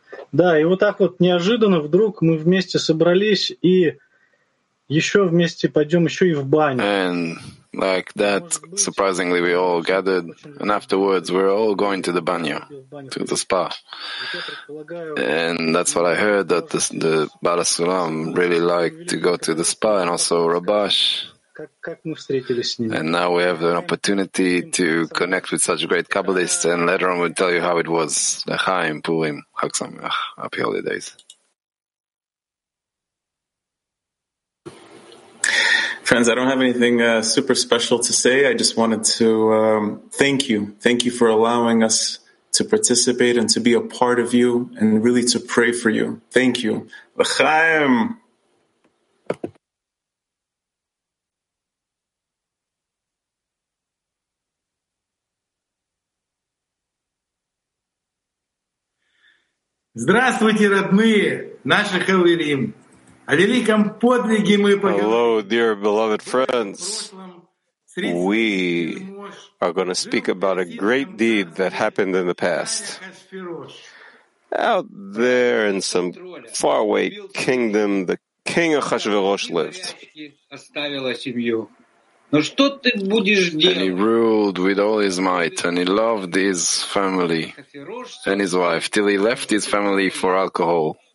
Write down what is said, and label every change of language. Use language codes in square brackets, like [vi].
[ru] Да, и вот так вот неожиданно вдруг мы вместе собрались и еще вместе пойдем еще и в баню. [en] And like that, surprisingly, we all gathered, and afterwards we're all going to the banyo, to the spa. And that's what I heard, that the Bala Sulam really liked to go to the spa, and also Rabash And now we have an opportunity to connect with such a great Kabbalist, and later on we'll tell you how it was. [he] L'chaim, Purim, Chag Sameach, [en] happy holidays. Friends, I don't have anything super special to say. I just wanted to thank you. Thank you for allowing us to participate and to be a part of you and really to pray for you. Thank you. L'chaim! [ru] Здравствуйте, родные, наши хаверим. О великом подвиге мы поговорим. [en] Hello, dear beloved friends. We are going to speak about a great deed that happened in the past. Out there in some faraway kingdom, the king of Ахашверош lived. And he ruled with all his might, and he loved his family and his wife, till he left his family for alcohol.